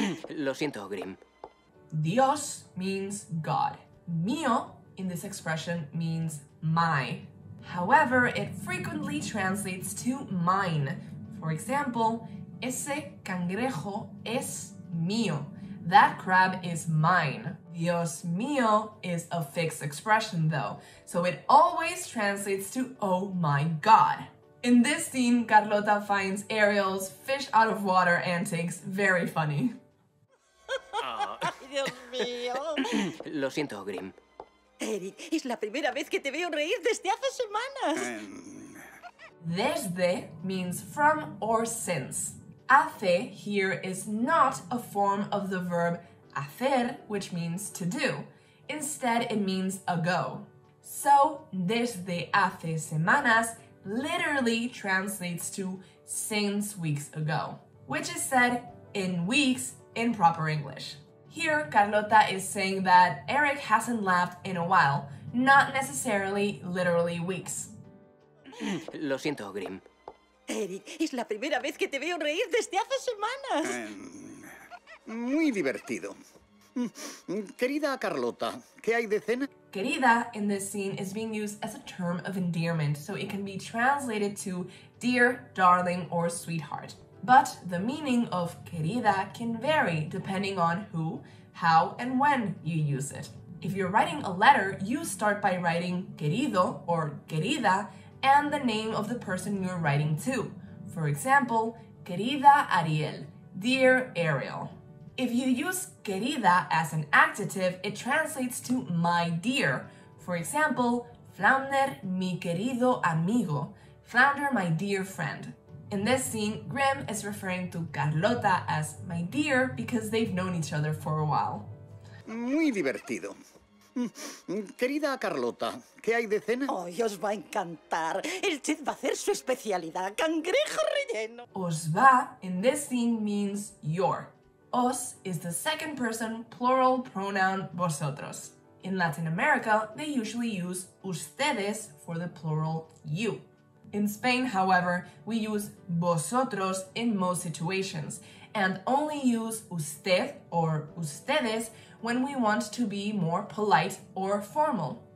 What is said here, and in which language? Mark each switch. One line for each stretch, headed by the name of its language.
Spanish: Lo siento, Grimm.
English: Dios means God. Mío in this expression means my. However, it frequently translates to mine. For example,
Spanish: ese cangrejo es mío.
English: That crab is mine. Dios mío is a fixed expression though, so it always translates to oh my god. In this scene, Carlota finds Ariel's fish out of water antics very funny.
Spanish: Lo siento, Grimm. Eric, es la primera vez que te veo reír desde hace semanas.
English: Desde means from or since. Hace here is not a form of the verb hacer, which means to do. Instead, it means ago. So,
Spanish: desde hace semanas
English: literally translates to since weeks ago, which is said in weeks in proper English. Here, Carlota is saying that Eric hasn't laughed in a while, not necessarily literally weeks.
Spanish: Lo siento, Grimm. Eric, es la primera vez que te veo reír desde hace semanas. Muy divertido. Querida Carlota, ¿qué hay de cena?
English: Querida in this scene is being used as a term of endearment, so it can be translated to dear, darling, or sweetheart. But the meaning of querida can vary depending on who, how, and when you use it. If you're writing a letter, you start by writing querido or querida and the name of the person you're writing to. For example, querida Ariel, dear Ariel. If you use querida as an adjective, it translates to my dear. For example,
Spanish: Flounder, mi querido amigo.
English: Flounder, my dear friend. In this scene, Grimm is referring to Carlota as my dear because they've known each other for a while.
Spanish: Muy divertido. Querida Carlota, ¿qué hay de cena? ¡Ay, os va a encantar! El chef va a hacer su especialidad, cangrejo relleno.
English: Os va, in this scene, means your. Os is the second person plural pronoun vosotros. In Latin America, they usually use ustedes for the plural you. In Spain, however, we use vosotros in most situations and only use usted or ustedes when we want to be more polite or formal.